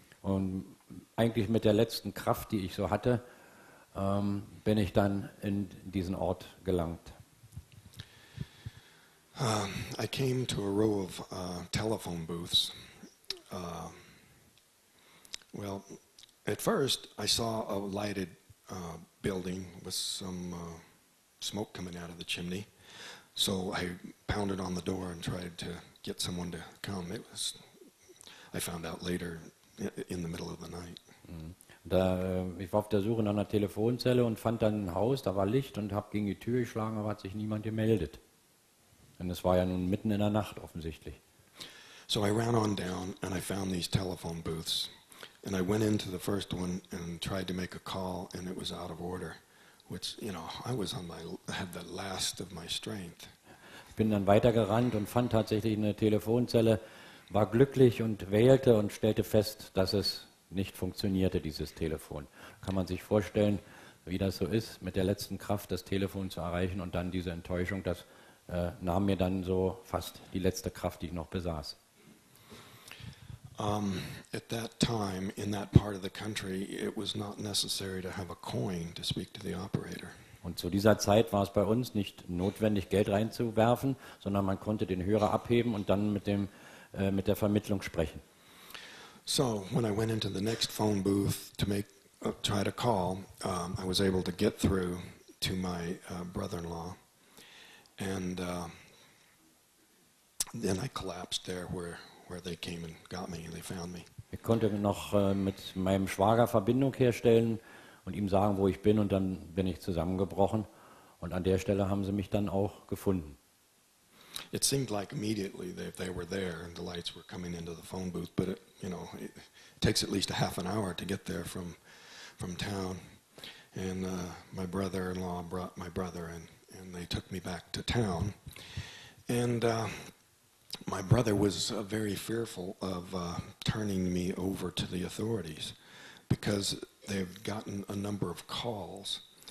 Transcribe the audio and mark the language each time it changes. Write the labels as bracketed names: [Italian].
[German] Und eigentlich mit der letzten Kraft, die ich so hatte, bin ich dann in diesen Ort gelangt. [English] I came to a row of telephone booths. Well, at first I saw a lighted building with some smoke coming out of the chimney, so I pounded on the door and tried to get someone to come. I found out later in the middle of the night. [German] Da, ich war auf der Suche nach einer Telefonzelle und fand dann ein Haus, da war Licht und habe gegen die Tür geschlagen, aber hat sich niemand gemeldet. Denn es war ja nun mitten in der Nacht offensichtlich. [English] So I ran on down and I found these telephone booths. And I went into the first one and tried to make a call, and it was out of order, which, you know, I was on my, had the last of my strength. [German] Ich bin dann weitergerannt und fand tatsächlich eine Telefonzelle, war glücklich und wählte und stellte fest, dass es nicht funktionierte, dieses Telefon. Kann man sich vorstellen, wie das so ist, mit der letzten Kraft das Telefon zu erreichen und dann diese Enttäuschung, das nahm mir dann so fast die letzte Kraft, die ich noch besaß. [English] At that time, in that part of the country, it was not necessary to have a coin to speak to the operator. [German] Und zu dieser Zeit war es bei uns nicht notwendig, Geld reinzuwerfen, sondern man konnte den Hörer abheben und dann mit der Vermittlung sprechen. [English] So, when I went into the next phone booth to make try to call, I was able to get through to my brother-in-law, and then I collapsed there where they came and got me and they found me. [German] Ich konnte noch mit meinem Schwager Verbindung herstellen und ihm sagen, wo ich bin, und dann bin ich zusammengebrochen und an der Stelle haben sie mich dann auch gefunden. [English] It seemed like immediately that they were there and the lights were coming into the phone booth, but it, you know, it takes at least a half an hour to get there from town, and my brother-in-law brought my brother and they took me back to town. And my brother was very fearful of turning me over to the authorities because they've gotten a number of calls.